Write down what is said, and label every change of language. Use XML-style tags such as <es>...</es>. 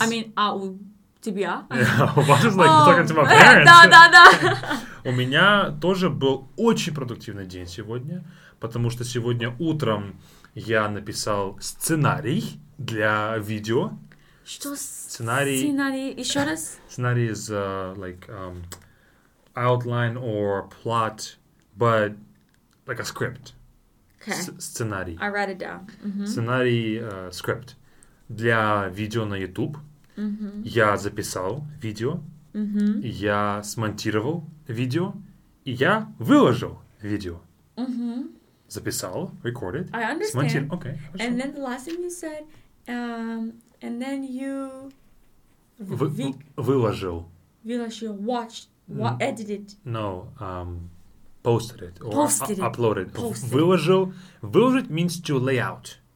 <en>I mean,</en> <ru>а у тебя? У вас,</ru> <en>like, you're talking to my parents.</en> <ru>Да. У меня тоже был очень продуктивный день сегодня, потому что сегодня утром я написал сценарий для видео. Что сценарий? Сценарий, еще раз.</ru> <en>Сценарий is like outline or plot, but like a script. Okay.</en> <ru>Сценарий.</ru> <en>I write it down. Mm-hmm.</en> <ru>Сценарий, script. Для видео на YouTube я записал видео, я смонтировал видео, и я выложил видео. Записал, recorded.</ru> <en>I understand. Смонтировал. Okay.</en> <ru>Хорошо.</ru> <en>And then the last thing you said, and then you...</en> <ru>Выложил.</ru> <en>Выложил. Watched. Edited. No, posted it. Or posted it. Uploaded. Posted. Выложил. Выложить means to lay out.</en>